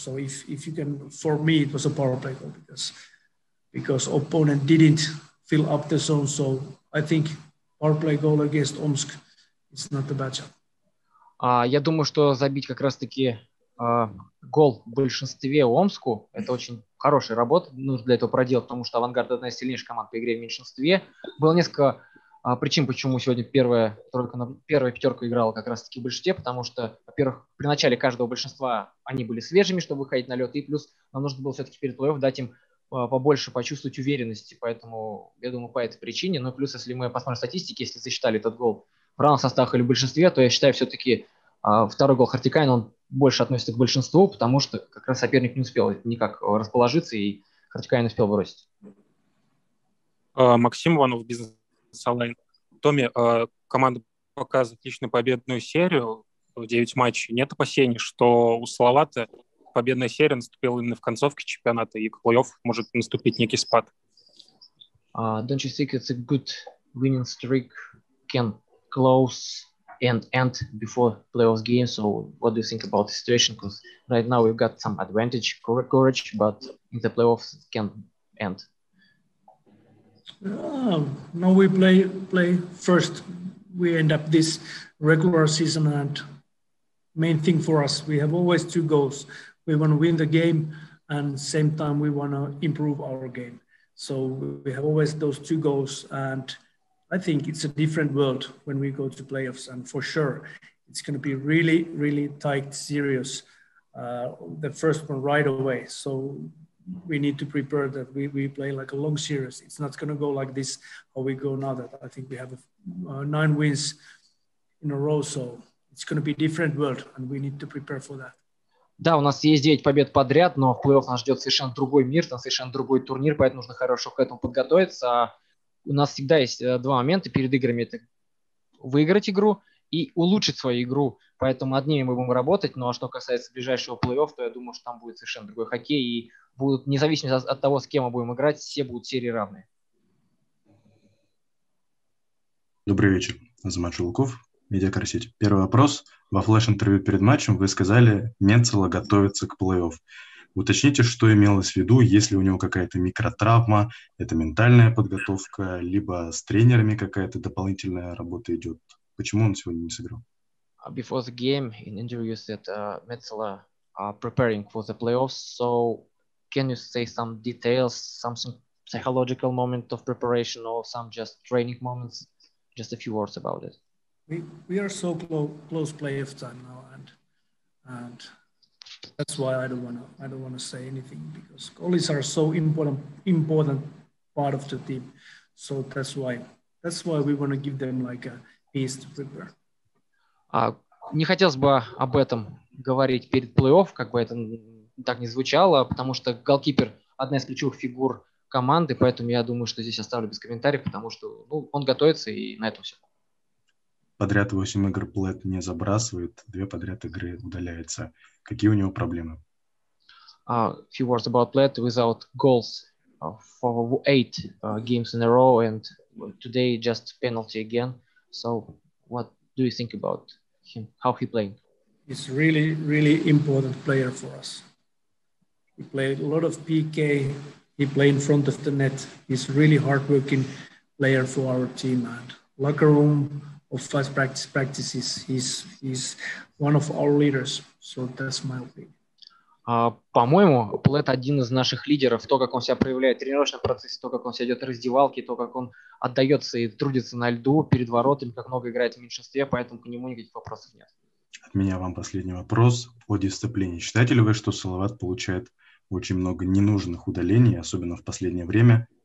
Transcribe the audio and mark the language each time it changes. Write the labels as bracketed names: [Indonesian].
[English] So if you can, for me, it was a power play goal because opponent didn't fill up the zone. So I think power play goal against Omsk, it's not a bad job. [Russian] Я думаю, что забить как раз-таки гол в большинстве Омску, это очень хорошая работа, нужно для этого проделать, потому что авангард одна из сильнейших команд по игре в меньшинстве. Было несколько причин, почему сегодня первая пятерка играла как раз-таки в большинстве, потому что, во-первых, при начале каждого большинства они были свежими, чтобы выходить на лед, и плюс нам нужно было все-таки перед плей-офф дать им побольше почувствовать уверенности. Поэтому, я думаю, по этой причине. Ну, плюс, если мы посмотрим статистики, если засчитали этот гол в равном составе или в большинстве, то я считаю, все-таки второй гол Хартикайн, он больше относится к большинству, потому что как раз соперник не успел никак расположиться, и Хартикайн успел бросить. Максим Иванов, Business Online. Томми, команда показывает отличную победную серию в 9 матчей. Нет опасений, что у Салавата победная серия наступила именно в концовке чемпионата, и к плей-офф может наступить некий спад? [English] Don't you think it's a good winning streak can close and end before playoff game? So what do you think about the situation? Because right now we've got some advantage, courage, but in the playoffs it can end. No, we play first. We end up this regular season, and main thing for us, we have always two goals. We want to win the game, and same time we want to improve our game. So we have always those two goals, and I think it's a different world when we go to playoffs. And for sure, it's going to be really, really tight, serious. The first one right away. So we need to prepare that we play like a long series. It's not going to go like this how we go now. That I think we have nine wins in a row. So it's going to be a different world, and we need to prepare for that. [Russian] Да, у нас есть 9 побед подряд, но в плей-офф нас ждет совершенно другой мир, там совершенно другой турнир, поэтому нужно хорошо к этому подготовиться. У нас всегда есть два момента перед играми. Это выиграть игру и улучшить свою игру. Поэтому над ними мы будем работать. Ну а что касается ближайшего плей-офф, то я думаю, что там будет совершенно другой хоккей. И будут, независимо от того, с кем мы будем играть, все будут серии равные. Добрый вечер. Азамат Жулков, Медиакарсеть. Первый вопрос. Во флеш-интервью перед матчем вы сказали, Менцело готовится к плей-офф. Уточните, что имелось в виду, есть ли у него какая-то микротравма, это ментальная подготовка, либо с тренерами какая-то дополнительная работа идет. Почему он сегодня не сыграл? [English] Before the game, in interview, you said Metzler preparing for the playoffs. So, can you say some details, some psychological moment of preparation or some just training moments? Just a few words about it. We are so close playoff time now, and that's why I don't wanna say anything, because goalies are so important part of the team. So that's why we wanna give them like a piece to prepare. [Russian] Не хотелось бы об этом говорить перед плей-офф, как бы это так не звучало, потому что голкипер одна из ключевых фигур команды, поэтому я думаю, что здесь оставлю без комментариев, потому что он готовится, и на этом все. Подряд 8 игр Плэт не забрасывает, 2 подряд игры удаляется. Какие у него проблемы? [English] Few words about Plett without goals for 8 games in a row, and today just penalty again. So what do you think about him? How he playing? He's really, really important player for us. He played a lot of PK. He played in front of the net. He's really hardworking player for our team, and locker room of fast practices. He's one of our leaders. So that's my opinion. [Russian] По-моему, Плэт один из наших лидеров. То, как он себя проявляет в тренировочном процессе, то, как он себя идет в раздевалке, то, как он отдается и трудится на льду перед воротами, как много играет в меньшинстве, поэтому к нему никаких вопросов нет. От меня вам последний вопрос о дисциплине. Считаете ли вы, что Салават получает очень много ненужных удалений, особенно в последнее время?